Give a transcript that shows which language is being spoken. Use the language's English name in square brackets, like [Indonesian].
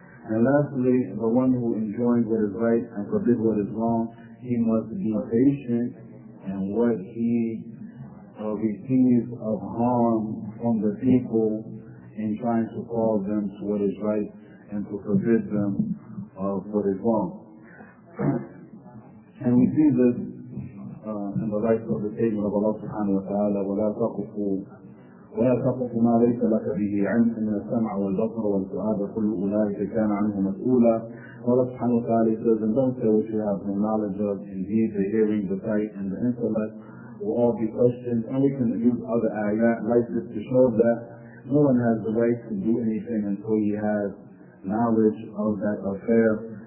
[English] And lastly, the one who enjoins what is right and forbids what is wrong, he must be patient in what he receives of harm from the people in trying to call them to what is right and to forbid them of what is wrong. [Arabic] And we see this in the light of the statement of Allah subhanahu wa ta'ala, وَلَا تَقْفُ مَا لَيْسَ لَكَ بِهِ عِلْمٌ مِنَ السَّمْعِ وَالْبَصَرِ وَالْفُؤَادِ كُلُّ أُولَٰئِكَ كَانَ عَنْهُ مَسْئُولًا. [English] Allah subhanahu wa ta'ala says, and don't say what you have no knowledge of, indeed the hearing, the sight, and the intellect will all be questioned. And we can use other ayat like this to show that no one has the right to do anything until he has knowledge of that affair.